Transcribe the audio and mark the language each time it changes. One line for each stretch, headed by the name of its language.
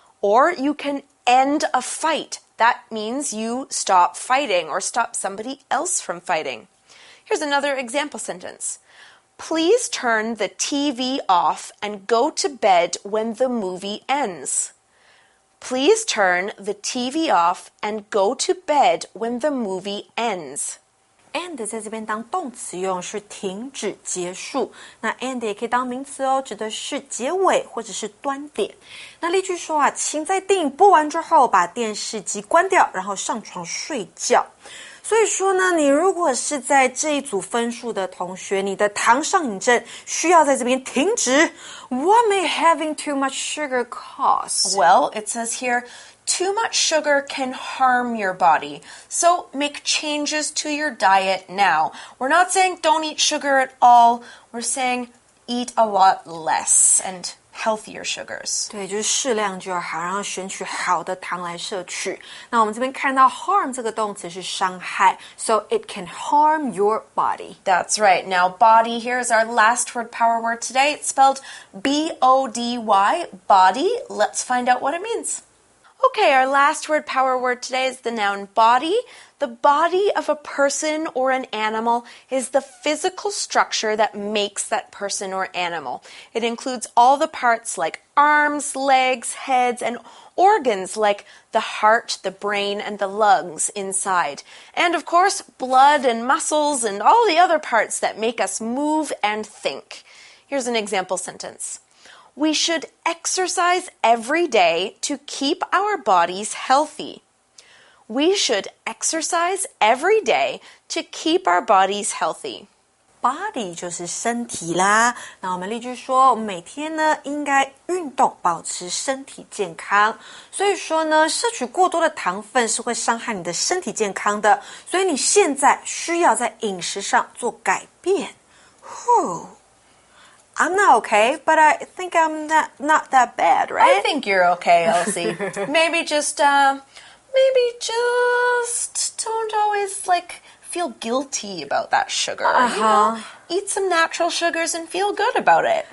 English: Or you can end a fight. That means you stop fighting or stop somebody else from fighting. Here's another example sentence. Please turn the TV off and go to bed when the movie ends. Please turn the TV off and go to bed when the movie ends.
Chinese: End 在这边当动词用是停止结束，那 end 也可以当名词哦，指的是结尾或者是端点。那例句说啊，请在电影播完之后把电视机关掉，然后上床睡觉。所以说呢，你如果是在这一组分数的同学，你的糖上瘾症需要在这边停止。
English: What may having too much sugar cause? Well, it says here,Too much sugar can harm your body, so make changes to your diet now. We're not saying don't eat sugar at all, we're saying eat a lot less and healthier sugars.
Chinese: 对，就是适量就好，然后选取好的糖来摄取。那我们这边看到 harm 这个动词是伤害，
English: so it can harm your body. That's right. Now, body here is our last word power word today. It's spelled B-O-D-Y, body. Let's find out what it means. Okay, our last word power word today is the noun body. The body of a person or an animal is the physical structure that makes that person or animal. It includes all the parts like arms, legs, heads, and organs like the heart, the brain, and the lungs inside. And of course, blood and muscles and all the other parts that make us move and think. Here's an example sentence. We should exercise every day to keep our bodies healthy. We should exercise every day to keep our bodies healthy.
Chinese: Body 就是身体啦。那我们例句说，每天呢应该运动，保持身体健康。所以说呢，摄取过多的糖分是会伤害你的身体健康的。所以你现在需要在饮食上做改变。
English: I'm not okay, but I think I'm not that bad, right? I think you're okay, Elsie. maybe just don't always, like, feel guilty about that sugar. Uh-huh. Eat some natural sugars and feel good about it.